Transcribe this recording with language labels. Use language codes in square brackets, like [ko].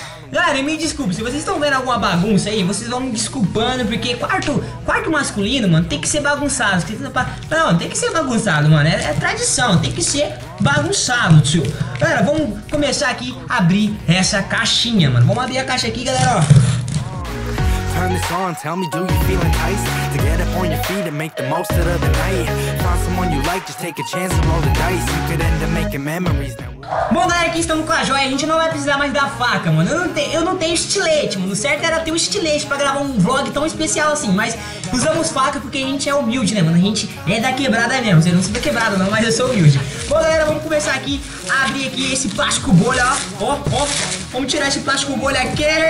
[pt] Galera, me desculpe, se vocês estão vendo alguma bagunça aí, vocês vão me desculpando, porque quarto masculino, mano, tem que ser bagunçado. Não, tem que ser bagunçado, mano, é tradição, tem que ser bagunçado, tio. Galera, vamos começar aqui a abrir essa caixinha, mano. Vamos abrir a caixa aqui, galera, ó. [en] Turn this on, tell me, do you feel enticed? To get up on your feet and make the most of the night. Find someone you like, just take a chance and roll the dice. You could end up making memories now. [pt] Bom, galera, aqui estamos com a joia. A gente não vai precisar mais da faca, mano. Eu não tenho estilete, mano. O certo era ter um estilete pra gravar um vlog tão especial assim. Mas usamos faca porque a gente é humilde, né, mano? A gente é da quebrada mesmo. Eu não sou da quebrada, não, mas eu sou humilde. Bom, galera, vamos começar aqui a abrir aqui esse plástico bolha, ó. Ó, ó. Vamos tirar esse plástico bolha aqui.